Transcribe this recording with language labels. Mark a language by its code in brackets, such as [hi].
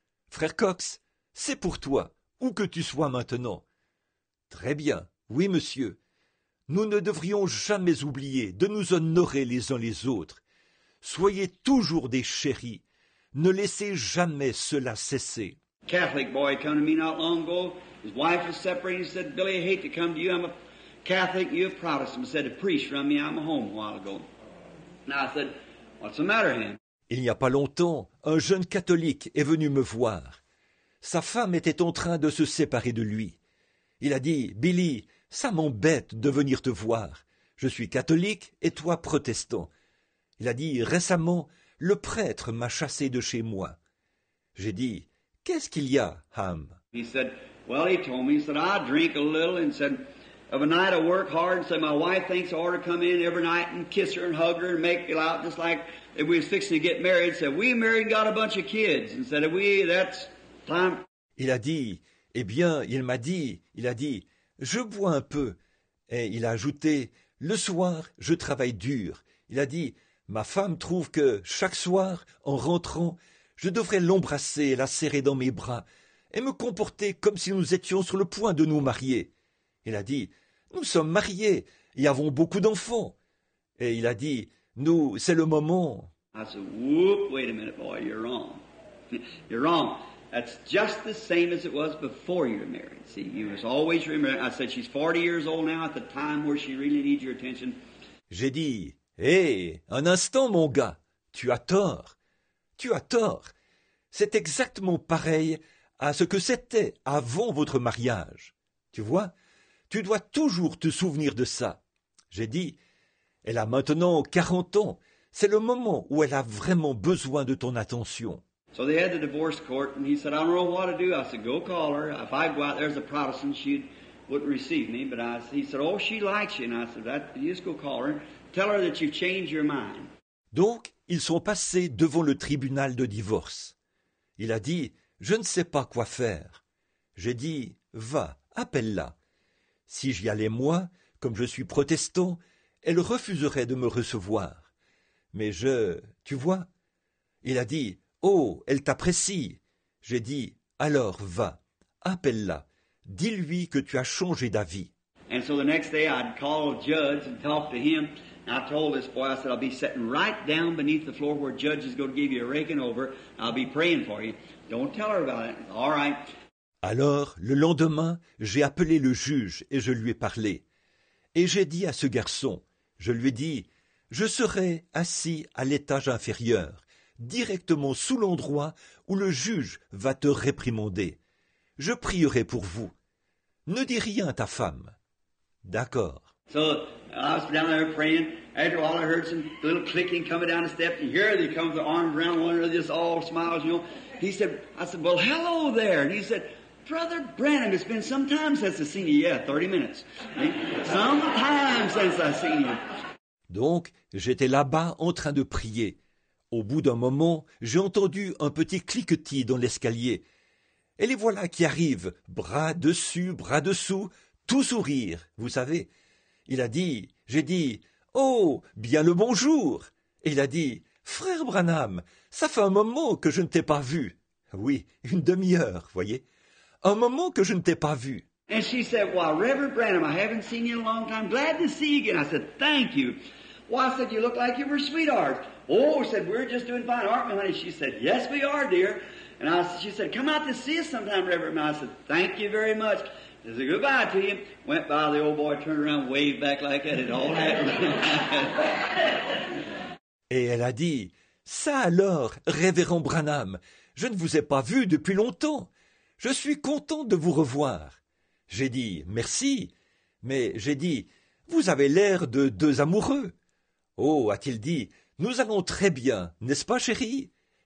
[fr] Frère Cox, c'est pour toi, où que tu sois maintenant. Très bien, oui, monsieur. Nous ne devrions jamais oublier de nous honorer les uns les autres. Soyez toujours des chéris. Ne laissez jamais cela cesser. [en] Catholic boy came to me not long ago. His wife was separated. He said, Billy, I hate to come to you. I'm a Catholic. You're a Protestant. He said, a priest run me out of my home a while ago. Now I said, what's the matter, him? [fr] Il n'y a pas longtemps, un jeune catholique est venu me voir. Sa femme était en train de se séparer de lui. Il a dit, « Billy, ça m'embête de venir te voir. Je suis catholique et toi protestant. » Il a dit, « Récemment, le prêtre m'a chassé de chez moi. » J'ai dit, « Qu'est-ce qu'il y a, Ham ?» [en] He said, « Well, he told me, he said, I drink a little, and said, of a night I work hard, and said, my wife thinks I ought to come in every night and kiss her and hug her and make it out just like if we was fixing to get married. Said, we married and got a bunch of kids. And said, we, that's time. » [fr] Il a dit, « Eh bien, il a dit, je bois un peu. » Et il a ajouté, « Le soir, je travaille dur. » Il a dit, « Ma femme trouve que chaque soir, en rentrant, je devrais l'embrasser et la serrer dans mes bras et me comporter comme si nous étions sur le point de nous marier. » Il a dit, « Nous sommes mariés et avons beaucoup d'enfants. » Et il a dit, « Nous, c'est le moment. » [en] I said, « Whoop, wait a minute, boy, you're wrong. You're wrong. » That's just the same as it was before you were married. See, you was always remembering. I said, she's 40 years old now at the time where she really needs your attention. [fr] J'ai dit, hey, un instant, mon gars, tu as tort. Tu as tort. C'est exactement pareil à ce que c'était avant votre mariage. Tu vois, tu dois toujours te souvenir de ça. J'ai dit, elle a maintenant 40 ans. C'est le moment où elle a vraiment besoin de ton attention. [en] So they had the divorce court, and he said, I don't know what to do. I said, go call her. If I go out there as a Protestant, she wouldn't receive me. But he said, oh, she likes you. And I said, that, you just go call her. Tell her that you've changed your mind. [fr] Donc, ils sont passés devant le tribunal de divorce. Il a dit, je ne sais pas quoi faire. J'ai dit, va, appelle-la. Si j'y allais moi, comme je suis protestant, elle refuserait de me recevoir. Mais je, tu vois, il a dit, « Oh, elle t'apprécie !» J'ai dit, « Alors, va, appelle-la. Dis-lui que tu as changé d'avis. » [en] And so the next day, I'd call Judge and talk to him. And I told this boy, I said, I'll be sitting right down beneath the floor where Judge is going to give you a raking over. I'll be praying for you. Don't tell her about it. All right. [fr] Alors, le lendemain, j'ai appelé le juge et je lui ai parlé. Et j'ai dit à ce garçon, je lui ai dit, « Je serai assis à l'étage inférieur. » Directement sous l'endroit où le juge va te réprimander. Je prierai pour vous. Ne dis rien à ta femme. D'accord. [en] So, I was down there praying. After all, I heard some little clicking coming down the steps. And here they come, the arms around one another, just all smiles, you know. He said, I said, well, hello there. And he said, Brother Branham, it's been some time since I've seen you. Yeah, 30 minutes. Some time since I've seen you. [fr] Donc, j'étais là-bas en train de prier. Au bout d'un moment, j'ai entendu un petit cliquetis dans l'escalier. Et les voilà qui arrivent, bras dessus, bras dessous, tout sourire, vous savez. Il a dit, j'ai dit, « Oh, bien le bonjour !» Et il a dit, « Frère Branham, ça fait un moment que je ne t'ai pas vu. » Oui, une demi-heure, voyez. Un moment que je ne t'ai pas vu. [en] And she said, well, Reverend Branham, I haven't seen you in a long time. Glad to see you again. I said, thank you. Well, I said, you look like you were sweetheart. Oh, I said, we're just doing fine, aren't we, honey? She said, yes, we are, dear. And I, she said, come out to see us sometime, Reverend. And I said, thank you very much. I said, goodbye to you. Went by, the old boy turned around, waved back like that. It all happened. [fr] Et elle a dit, ça alors, Révérend Branham, je ne vous ai pas vu depuis longtemps. Je suis content de vous revoir. J'ai dit, merci. Mais j'ai dit, vous avez l'air de deux amoureux. Oh, a-t-il dit, « Nous allons très bien, n'est-ce pas, chérie ?»